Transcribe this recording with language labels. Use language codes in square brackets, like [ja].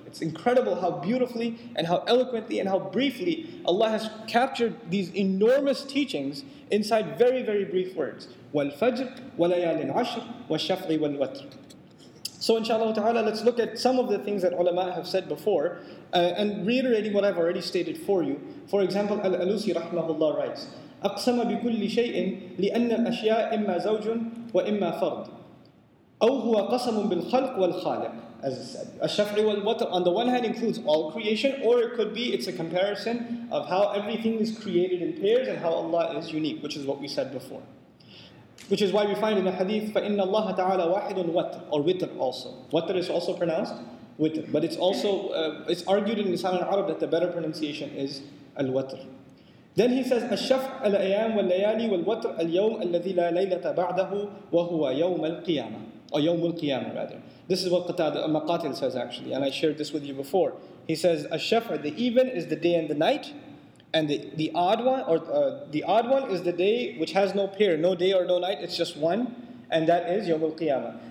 [en] It's incredible how beautifully and how eloquently and how briefly Allah has captured these enormous teachings inside very, very brief words. [ar] وَالْفَجْرِ وَلَيَالٍ عَشْرِ وَالشَّفْعِ وَالْوَتْرِ. [en] So inshallah ta'ala, let's look at some of the things that ulama have said before and reiterating what I've already stated for you. For example, Al-Alusi rahmahullah writes, [ar] أَقْسَمَ بِكُلِّ شَيْءٍ لِأَنَّ الْأَشْيَاءِ إِمَّا زَوْجٌ وَإِمَّا فَرْضٌ. أو هو قسم بالخلق والخالق. [en] As I said, الشفعي والوتر on the one hand includes all creation, or it could be it's a comparison of how everything is created in pairs and how Allah is unique, which is what we said before. Which is why we find in the hadith, [ar] فَإِنَّ اللَّهَ تَعَالَى وَاحِدٌ وَتْرٌ, [en] or witr also. Watr is also pronounced witr, but it's also it's argued in Lisan al-Arab that the better pronunciation is al-watr. Then he says, [ar] الشفع الأيام والليالي والوتر اليوم الذي لا ليلة بعده وهو يوم القيامة. [en] Or Yawm al-Qiyamah rather. This is what Maqatil says actually, and I shared this with you before. He says, Ash-Shafr, the even is the day and the night, and the odd one is the day which has no pair, no day or no night, it's just one, and that is Yawm al-Qiyamah.